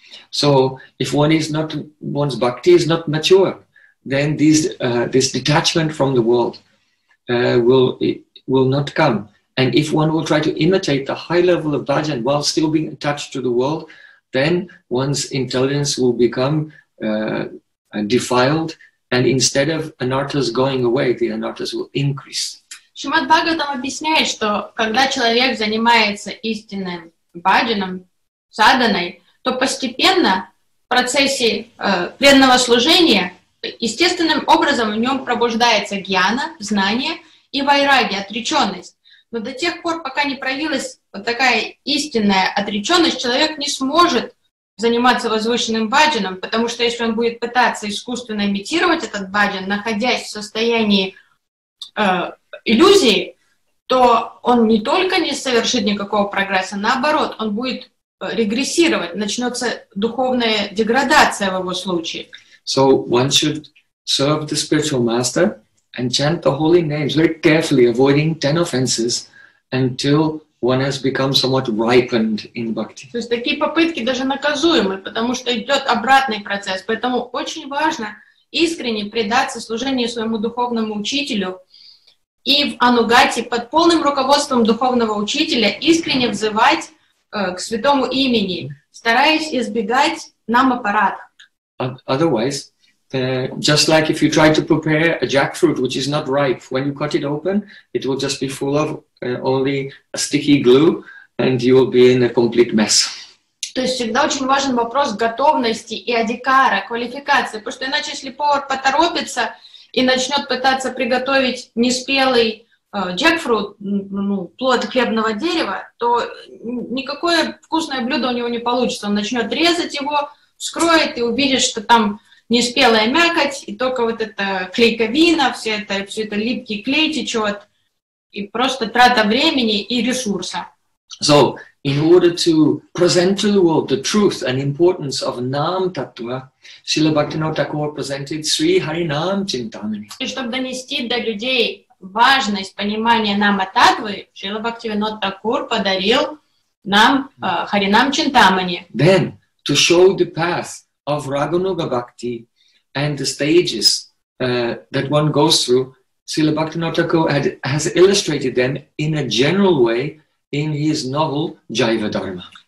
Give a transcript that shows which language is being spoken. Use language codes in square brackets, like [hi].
[en] So if one's bhakti is not mature, then this detachment from the world will not come. And if one will try to imitate the high level of bhajan while still being attached to the world, then one's intelligence will become defiled, and instead of anarthas going away, the anarthas will increase. [ru] Шримад Бхагаватам объясняет, что когда человек занимается истинным бхаджаном, садханой, то постепенно в процессе преданного служения естественным образом в нем пробуждается гьяна, знание и вайраги, отреченность. Но до тех пор, пока не проявилась вот такая истинная отреченность, человек не сможет заниматься возвышенным бхаджаном, потому что если он будет пытаться искусственно имитировать этот бхаджан, находясь в состоянии иллюзии, то он не только не совершит никакого прогресса, наоборот, он будет регрессировать, начнется духовная деградация в его случае. [en] So one should serve the spiritual master and chant the holy names very carefully, avoiding 10 offenses until one has become somewhat ripened in bhakti. [ru] То есть такие попытки даже наказуемы, потому что идет обратный процесс. Поэтому очень важно искренне предаться служению своему духовному учителю и в анугате под полным руководством духовного учителя искренне взывать к святому имени, стараясь избегать намапарад. [en] Otherwise, just like if you try to prepare a jackfruit which is not ripe, when you cut it open, it will just be full of only a sticky glue, and you will be in a complete mess. [ru] То есть всегда очень важен вопрос готовности и адикара, квалификации, потому что иначе, если повар поторопится и начнет пытаться приготовить неспелый jackfruit, ну, плод хлебного дерева, то никакое вкусное блюдо у него не получится. Он начнет резать его, вскроет и увидит, что там неспелая мякоть, и только вот эта клейковина, все это липкий клей течет, и просто трата времени и ресурса. [en] So, in order to present to the world the truth and importance of Nam Tattva, Srila Bhaktivinoda Thakur presented Sri Harinam Chintamani. [ru] И чтобы донести до людей важность понимания Нама Таттвы, Шрила Бхактивинода Такур подарил нам Харинам Чинтамани. [en] Then, to show the path of Рагануга Бхакти and the stages that one goes through, Srila Bhaktivinoda Thakur has illustrated them in a general way in his novel Jaiva Dharma.